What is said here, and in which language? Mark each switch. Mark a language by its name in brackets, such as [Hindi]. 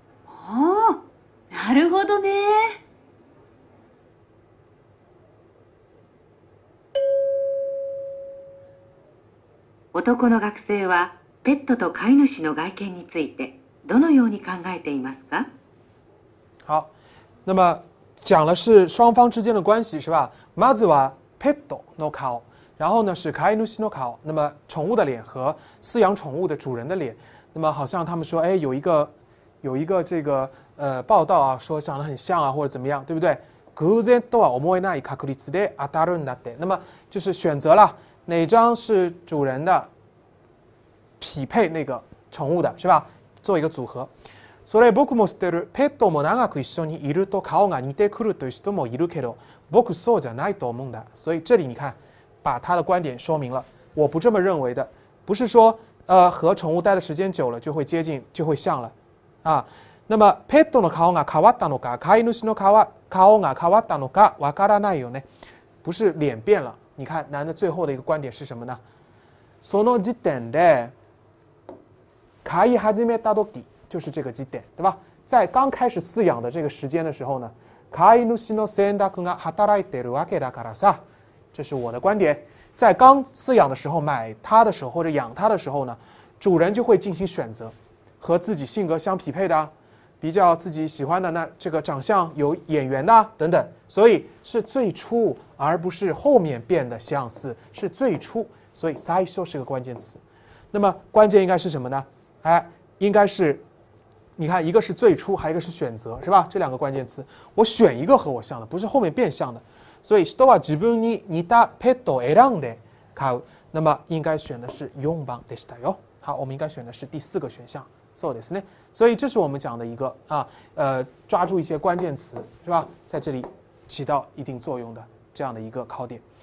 [Japanese] ああ、なるほどね。男の学生はペットと飼い主の外見についてどのように考えていますか？ [Chinese] 好，那么讲的是双方之间的关系是吧？ [Japanese] まずはペットの顔， [Chinese] 然后呢是 [Japanese] 飼い主の顔， [Chinese] 那么宠物的脸和饲养宠物的主人的脸，那么好像他们说，哎，有一个这个报道啊，说长得很像啊，或者怎么样，对不对？ [Japanese] 偶然とは思えない確率で当たるんだって。 [Chinese] 那么就是选择了。哪张是主人的匹配那个宠物的是吧，做一个组合。 [Japanese] それ僕も知ってる。ペットも長く一緒にいると顔が似てくるという人もいるけど、僕そうじゃないと思うんだ。 [Chinese] 所以这里你看把他的观点说明了，我不这么认为的，不是说和宠物待的时间久了就会接近就会像了啊。那么 [Japanese] ペットの顔が変わったのか、飼い主の顔が変わったのかわからないよね。 [Chinese] 不是脸变了，你看男的最后的一个观点是什么呢？ [Japanese] その時点で飼い始めた時， [Chinese] 就是这个時点，对吧？在刚开始饲养的这个时间的时候呢， [Japanese] 飼い主の選択が働いてるわけだからさ， [Chinese] 这是我的观点。在刚饲养的时候，买它的时候或者养它的时候呢，主人就会进行选择，和自己性格相匹配的，比较自己喜欢的，那这个长相有眼缘的等等，所以是最初，而不是后面变得相似，是最初，所以最初是个关键词。那么关键应该是什么呢？哎，应该是，你看一个是最初，还有一个是选择，是吧？这两个关键词，我选一个和我像的，不是后面变相的。所以 [Japanese] 人は自分に似たペットを選んで買う， [Chinese] 那么应该选的是 [Japanese] 4番でしたよ。 [Chinese] 好，我们应该选的是第四个选项。 [Japanese] So ですね， [Chinese] 所以这是我们讲的一个啊，抓住一些关键词是吧，在这里起到一定作用的这样的一个考点。